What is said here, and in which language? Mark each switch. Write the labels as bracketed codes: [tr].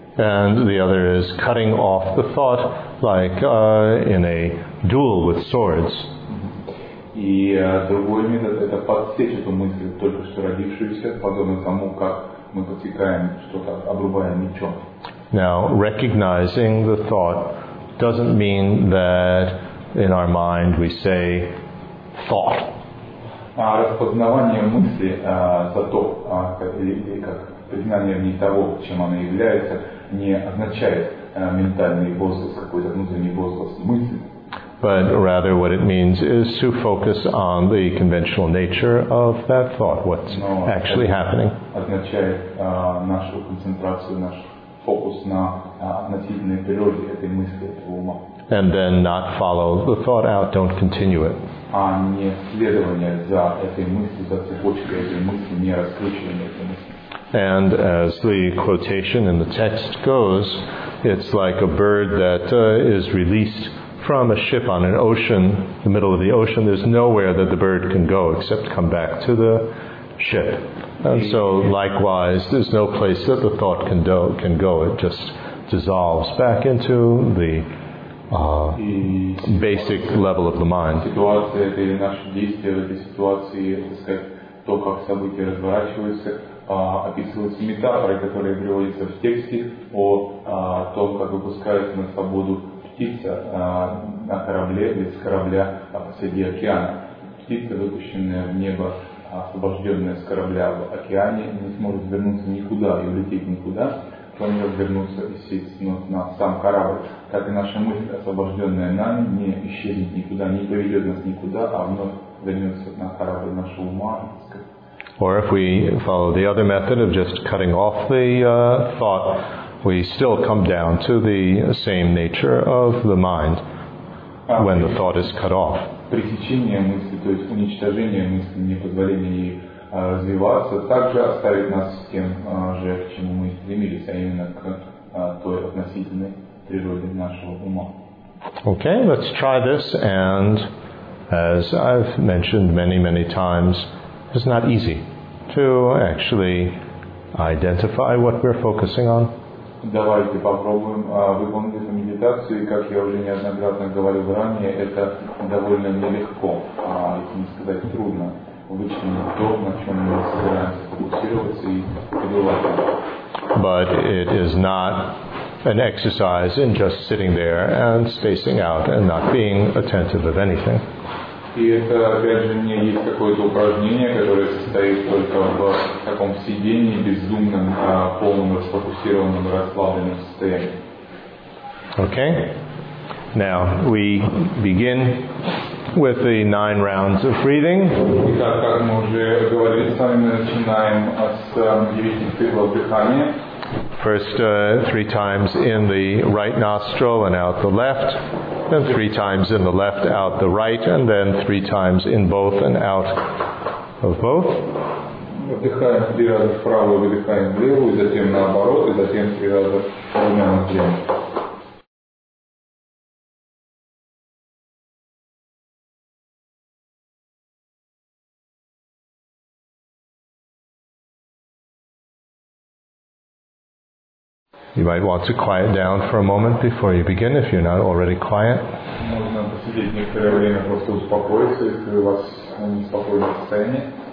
[en] And the other is cutting off the thought, like in a duel with swords. [ru] И другой метод – это подсечь эту мысль, только что родившуюся, подобно тому, как мы подсекаем что-то, обрубая мечом. [en] Now, recognizing the thought doesn't mean that in our mind we say thought. [ru] А распознавание мысли за то, как признание в ней того, чем она является, не означает ментальный возглас, какой-то внутренний возглас мысли. [en] But rather what it means is to focus on the conventional nature of that thought, what's actually happening. [ru] Означает нашу концентрацию, наш фокус на относительной природе этой мысли, этого ума. [en] And then not follow the thought out, don't continue it. [ru] А не следование за этой мысли, за цепочкой этой мысли, не раскручивание этой мысли. [en] And as the quotation in the text goes, it's like a bird that is released from a ship on an ocean, the middle of the ocean. There's nowhere that the bird can go except come back to the ship. And so, likewise, there's no place that the thought can go. It just dissolves back into the basic level of the mind. [ru] Ситуация или наши действия в этой ситуации, так сказать, то, как события разворачиваются, описываются метафоры, которые приводятся в тексте о том, как выпускают на свободу птица на корабле, без корабля посреди океана. Птица, выпущенная в небо, освобожденная с корабля в океане, не сможет вернуться никуда и улететь никуда, кроме как вернуться и сесть на сам корабль. Так и наша мысль, освобожденная нами, не исчезнет никуда, не поведет нас никуда, а вновь вернется на корабль нашего ума. [en] Or if we follow the other method of just cutting off the thought, we still come down to the same nature of the mind when the thought is cut off. [ru] Пресечение мысли, то есть уничтожение мысли, не позволение ей развиваться, также оставит нас с тем же, к чему мы стремились, а именно к той относительной природе нашего ума. [en] Okay, let's try this, and as I've mentioned many, many times, it's not easy to actually identify what we're focusing on. [ru] Давайте попробуем выполнить эту медитацию, и как я уже неоднократно говорил ранее, это довольно нелегко, если не сказать трудно, вычленить то, на чем мы собираемся фокусироваться и пребывать. [en] But it is not an exercise in just sitting there and spacing out and not being attentive of anything. [ru] И это, опять же, не есть какое-то упражнение, которое состоит только в таком сидении, бездумном, полном, расфокусированном, расслабленном состоянии. [en] Okay. Now, we begin with the 9 rounds of breathing. [ru] Итак, как мы уже говорили с вами, мы начинаем с 9 циклов дыхания. [en] First, 3 times in the right nostril and out the left. Then 3 times in the left, out the right, and then 3 times in both and out of both. [ru] Вдыхаем 3 раза вправо, выдыхаем влево, и затем наоборот, и затем 3 раза вправо на влево. [en] You might want to quiet down for a moment before you begin if you're not already quiet. [ru] Можно посидеть некоторое время, просто успокоиться, если у вас неспокойное состояние.